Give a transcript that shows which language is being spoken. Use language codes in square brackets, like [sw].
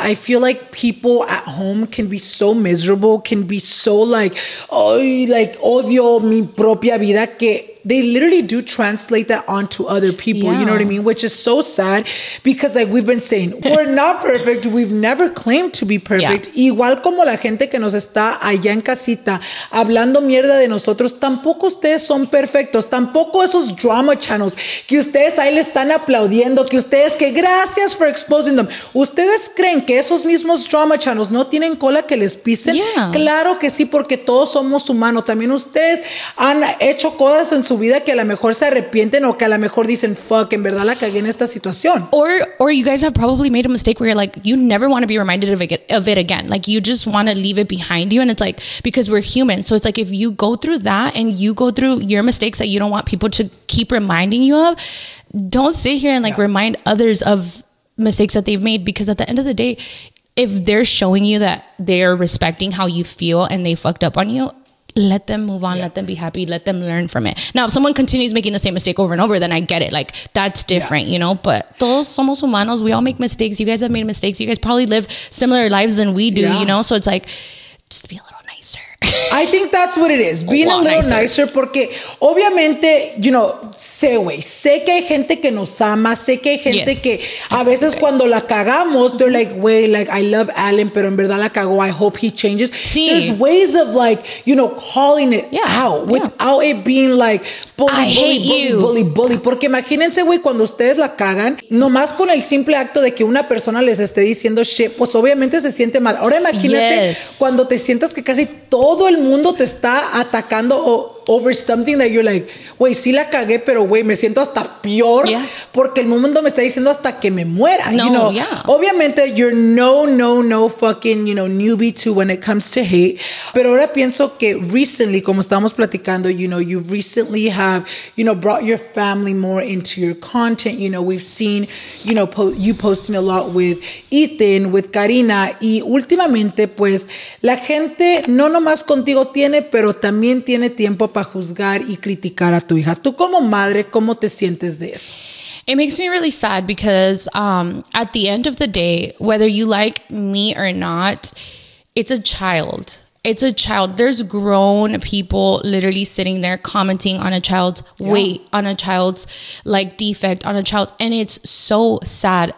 [en] I feel like people at home can be so miserable, can be so like, ay, like [es] odio mi propia vida, que [en] they literally do translate that onto other people. Yeah. You know what I mean? Which is so sad because like we've been saying, we're not perfect. We've never claimed to be perfect. Yeah. [es] Igual como la gente que nos está allá en casita hablando mierda de nosotros, tampoco ustedes son perfectos. Tampoco esos drama channels que ustedes ahí le están aplaudiendo, que ustedes que gracias [en] for exposing them. [es] ¿Ustedes creen que esos mismos drama channels no tienen cola que les pisen? [en] Yeah. [es] Claro que sí, porque todos somos humanos. También ustedes han hecho cosas en su vida que a lo mejor se arrepienten o que a lo mejor dicen fuck, en verdad la cagué en esta situación. [en] Or you guys have probably made a mistake where you're like, you never want to be reminded of it again. Like you just want to leave it behind you. And it's like, because we're human. So it's like, if you go through that and you go through your mistakes that you don't want people to keep reminding you of, don't sit here and like remind others of mistakes that they've made. Because at the end of the day, if they're showing you that they're respecting how you feel and they fucked up on you, let them move on. Yeah. Let them be happy. Let them learn from it. Now, if someone continues making the same mistake over and over, then I get it. Like, that's different, you know? But [es] todos somos humanos. [en] We all make mistakes. You guys have made mistakes. You guys probably live similar lives than we do, you know? So it's like, just be a little nicer. I think that's what it is. Being a little nicer. [es] Porque, obviamente, [en] you know, [es] sé, güey, sé que hay gente que nos ama. [en] Sé que hay gente que a veces cuando la cagamos, they're like, güey, like, I love Alan, pero en verdad la cagó. I hope he changes. [es] Sí. [en] There's ways of, like, you know, calling it out without it being like, bully. [es] Porque imagínense, güey, cuando ustedes la cagan, nomás con el simple acto de que una persona les esté diciendo shit, pues obviamente se siente mal. Ahora imagínate cuando te sientas que casi todo el mundo te está atacando [en] over something that you're like, [es] güey, sí la cagué, pero güey, me siento hasta peor porque el mundo me está diciendo hasta que me muera. No, [en] you know? Yeah. Obviamente, you're no fucking, you know, newbie to when it comes to hate. [es] Pero ahora pienso que [en] recently, [es] como estábamos platicando, [en] you know, you recently have, you know, brought your family more into your content. You know, we've seen, you know, you posting a lot with Ethan, with Karina. [es] Y últimamente, pues, la gente no nomás contigo tiene, pero también tiene tiempo para juzgar y criticar a tu hija. Tú como madre, ¿cómo te sientes de eso? [en] It makes me really sad because at the end of the day, whether you like me or not, it's a child. It's a child. There's grown people literally sitting there commenting on a child's weight, on a child's like defect, on a child's, and it's so sad.